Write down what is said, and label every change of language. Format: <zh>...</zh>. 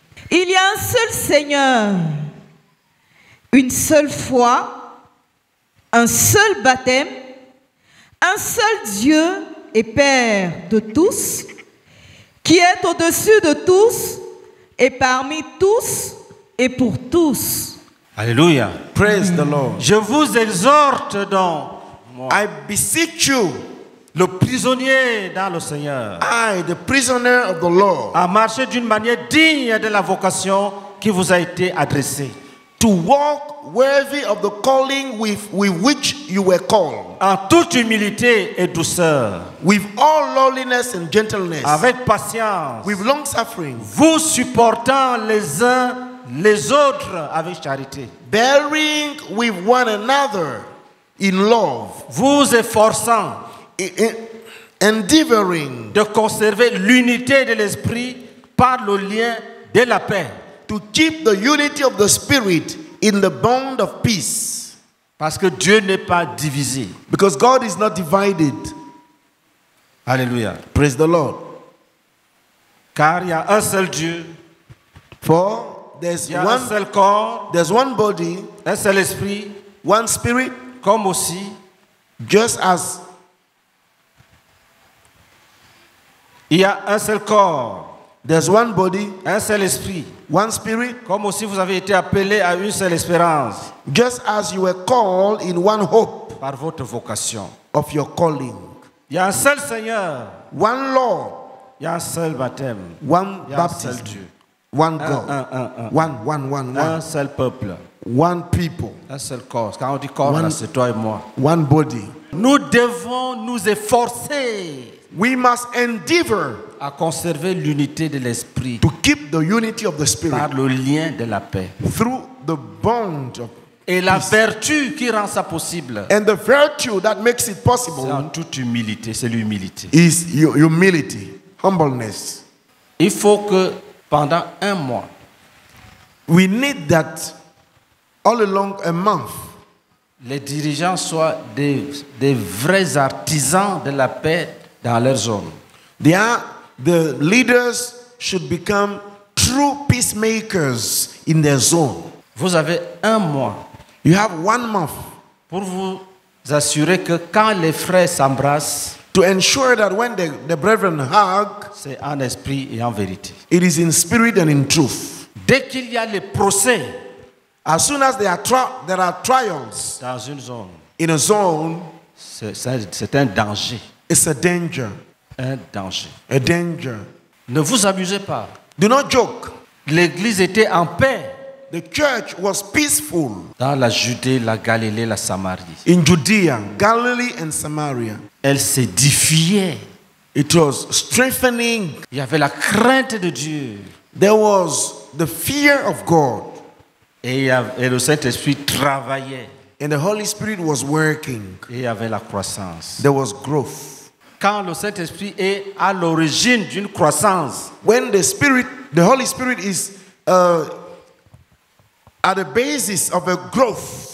<fr>Il y a un seul Seigneur, une seule foi, un seul baptême, un seul Dieu et Père de tous, qui est au-dessus de tous et parmi tous et pour tous. Alléluia.</fr> <en>Praise the Lord.</en> <fr>Je vous exhorte donc.</fr> <en>I beseech you.</en> <fr>Le prisonnier dans le Seigneur.</fr> <en>I, the prisoner of the Lord.</en> <fr>A marcher d'une manière digne de la vocation qui vous a été adressé.</fr> <en>To walk worthy of the calling with which you were called.</en> <fr>En toute humilité et douceur.</fr> <en>With all lowliness and gentleness.</en> <fr>Avec patience.</fr> <en>With long suffering.</en> <fr>Vous supportant les uns les autres avec charité.</fr> <en>Bearing with one another in love.</en> <fr>Vous efforçant.</fr> <en>Endeavoring.</en> <fr>De conserver l'unité de l'esprit par le lien de la paix.</fr> <en>To keep the unity of the spirit in the bond of peace.</en> <fr>Parce que Dieu n'est pas divisé.</fr> <en>Because God is not divided.</en> <fr>Alléluia.</fr> <en>Praise the Lord.</en> <fr>Car il y a un seul Dieu.</fr> <en>For there's</en> <fr>y a one, un seul corps.</fr> <en>There's one body.</en> <fr>Un seul esprit.</fr> <en>One spirit.</en> <fr>Comme aussi.</fr> <en>Just as.</en> <fr>Il y a un seul corps.</fr> <en>There's one body.</en> <fr>Un seul esprit.</fr> <en>One spirit.</en> <fr>Comme aussi vous avez été appelé à une seule espérance.</fr> <en>Just as you were called in one hope.</en> <fr>Par votre vocation.</fr> <en>Of your calling.</en> <fr>Il y a un seul Seigneur.</fr> <en>One Lord.</en> <fr>Il y a un seul baptême.</fr> <en>One baptism.</en> <fr>Un seul Dieu.</fr> <en>One God.</en> <fr>Un seul peuple.</fr> <en>One people.</en> <fr>Un seul corps. Quand on dit corps, là, c'est toi et moi.</fr> <en>One body.</en> <fr>Nous devons nous efforcer.</fr> <en>We must endeavor</en> <fr>à conserver l'unité de l'esprit.</fr> <en>To keep the unity of the spirit.</en> <fr>Par le lien de la paix.</fr> <en>Through the bond of</en> <fr>et la</fr> <en>peace.</en> <fr>Vertu qui rend ça possible.</fr> <en>And the virtue that makes it possible.</en> <fr>C'est en toute humilité, c'est l'humilité.</fr> <en>Is humility, humbleness.</en> <fr>Il faut que pendant un mois.</fr> <en>We need that all along a month.</en> <fr>Les dirigeants soient des vrais artisans de la paix. Dans leur zone.</fr> <en>The leaders should become true peacemakers in their zone.</en> <fr>Vous avez un mois.</fr> <en>You have 1 month.</en> <fr>Pour vous assurer que quand les frères s'embrassent.</fr> <en>To ensure that when the brethren hug.</en> <fr>C'est en esprit et en vérité.</fr> <en>It is in spirit and in truth.</en> <fr>Dès qu'il y a les procès.</fr> <en>As soon as there are trials.</en> <fr>Dans une zone.</fr> <en>In a zone.</en> <fr>C'est un danger.</fr> <en>It's a danger.</en> <fr>Un danger.</fr> <en>A danger.</en> <fr>Ne vous abusez pas.</fr> <en>Do not joke.</en> <fr>L'église était en paix.</fr> <en>The church was peaceful.</en> <fr>Dans la Judée, la Galilée, la Samarie.</fr> <en>In Judea, Galilee and Samaria.</en> <fr>Elle s'édifiait.</fr> <en>It was strengthening.</en> <fr>Il y avait la crainte de Dieu.</fr> <en>There was the fear of God.</en> <fr>Et le Saint-Esprit travaillait.</fr> <en>And the Holy Spirit was working.</en> <fr>Il y avait la croissance.</fr> <en>There was growth.</en> <fr>Quand le Saint-Esprit est à l'origine d'une croissance.</fr> <en>When the Holy Spirit is at the basis of a growth.</en>